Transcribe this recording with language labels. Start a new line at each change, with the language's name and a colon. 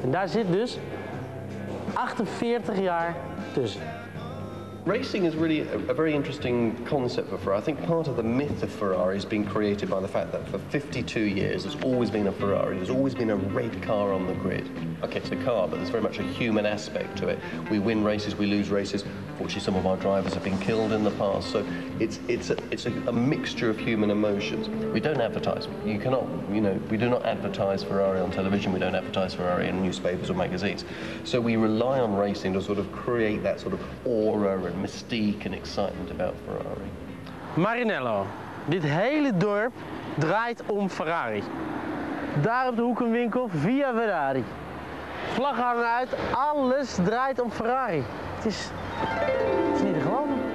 Dutch: En daar zit dus 48 jaar tussen.
English: Racing is really a very interesting concept for Ferrari. I think part of the myth of Ferrari has been created by the fact that for 52 years there's always been a Ferrari, there's always been a red car on the grid. Okay, it's a car, but there's very much a human aspect to it. We win races, we lose races. Fortunately, some of our drivers have been killed in the past, so it's a mixture of human emotions. We don't advertise. You cannot, you know, we do not advertise Ferrari on television. We don't advertise Ferrari in newspapers or magazines. So we rely on racing to sort of create that sort of aura and mystique and excitement about Ferrari.
Dutch: Maranello, dit hele dorp draait om Ferrari. Daar op de hoek een winkel via Ferrari. Vlag hangen uit, alles draait om Ferrari. Het is niet te geloven.